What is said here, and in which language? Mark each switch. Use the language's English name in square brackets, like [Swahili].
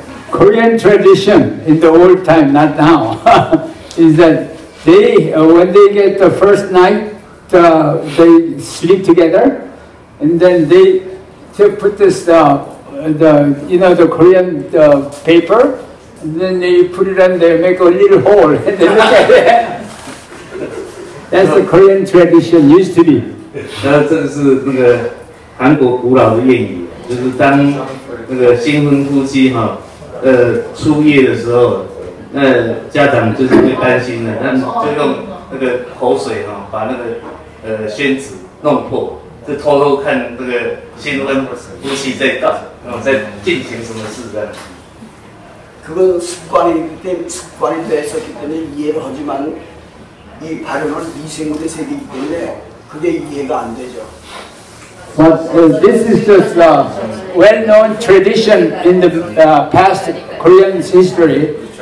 [English] Korean tradition in the old time, not now, is that they when they get the first night, they sleep together, and then they to put this the you know the Korean paper And then they put it on there, make a little hole, and then look at it. That's the Korean tradition used to be. [Chinese] 那这是那个韩国古老的谚语，就是当那个新婚夫妻哈，出夜的时候，那家长就是会担心的，那就用那个口水哈，把那个宣纸弄破，就偷偷看那个新婚夫妻在干什么，在进行什么事这样。 [Korean] 그건 습관이 때문에 습관이 되었기 때문에 이해를 하지만 이 발언은 미생물의 세계이기 때문에 그게 이해가 안 되죠. [English] But this is just a well-known tradition in the past Korean history.